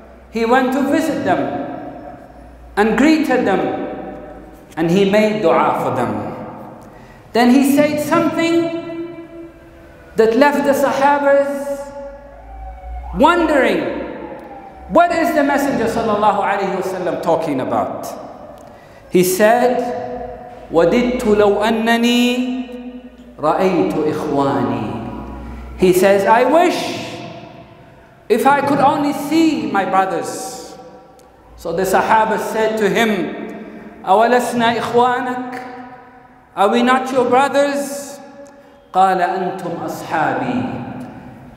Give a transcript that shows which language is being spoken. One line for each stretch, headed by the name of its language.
English: He went to visit them and greeted them, and he made dua for them. Then he said something that left the Sahabas wondering, what is the Messenger sallallahu alaihi wasallam talking about? He said,
Arabic: وَدِدْتُ لَوْ أَنَّنِي رَأَيْتُ إِخْوَانِي.
English: He says, I wish if I could only see my brothers. So the Sahaba said to him,
Arabic: أَوَلَسْنَا إِخْوَانَكَ.
English: Are we not your brothers?
Arabic: قَالَ أَنْتُمْ أَصْحَابِي.